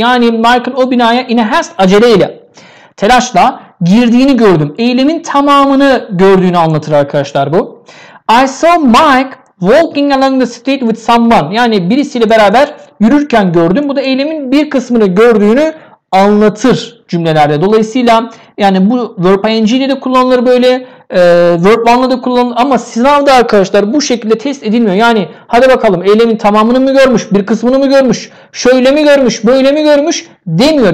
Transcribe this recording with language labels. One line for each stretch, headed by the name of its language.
Turkish: Yani Mike'ın o binaya
English: in a haste
Turkish: aceleyle, telaşla girdiğini gördüm. Eylemin tamamını gördüğünü anlatır arkadaşlar bu.
English: I saw Mike walking along the street with someone.
Turkish: Yani birisiyle beraber yürürken gördüm. Bu da eylemin bir kısmını gördüğünü anlatır cümlelerde. Dolayısıyla yani bu verb ing ile de kullanılır böyle. Verb one ile de kullanılır. Ama sınavda arkadaşlar bu şekilde test edilmiyor. Yani hadi bakalım eylemin tamamını mı görmüş? Bir kısmını mı görmüş? Şöyle mi görmüş? Böyle mi görmüş? Demiyor.